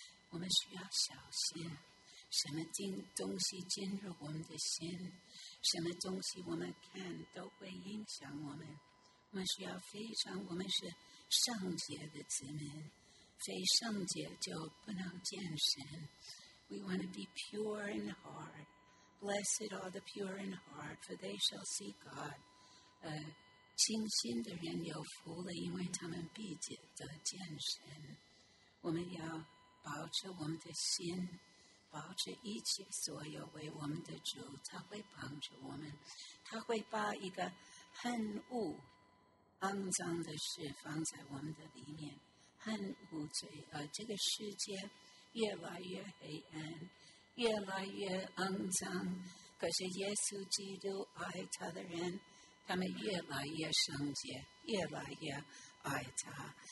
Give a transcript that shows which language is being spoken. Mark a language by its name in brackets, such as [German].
[Chinese] 我们需要小心，什么东西进入我们的心，什么东西我们看都会影响我们。我们需要非常，我们是圣洁的子民，非圣洁就不能见神。 [English] We want to be pure in heart. Blessed are the pure in heart, for they shall see God. [Chinese] 清心的人有福了，因为他们必得见神。我们要保持我们的心，保持一切所有为我们的主，他会帮助我们，他会把一个恨恶肮脏的事放在我们的里面，恨恶罪，这个世界越来越黑暗，越来越肮脏，可是耶稣基督爱他的人，他们越来越圣洁，越来越爱他。